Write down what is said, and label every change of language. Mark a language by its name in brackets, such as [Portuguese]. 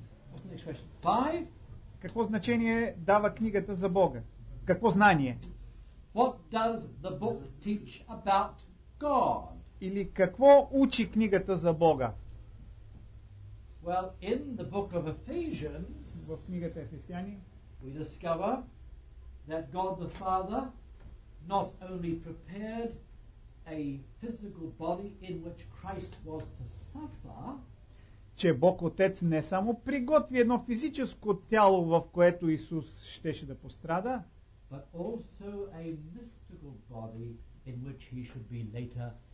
[English] What's the next question? 5? [Bulgarian] Какво значение дава книгата за Бога? Какво знание? [English] What does the book teach about God? [Bulgarian] Или какво учи книгата за Бога? [English] Well, in the book of Ephesians, [Bulgarian] в книгата Ефесяни, [English] we discover that God the Father not only prepared a physical body in which Christ was to suffer, [Bulgarian] че Бог Отец не само приготви едно физическо тяло, в което Исус щеше да пострада, [English] but also a mystical body in which he should be later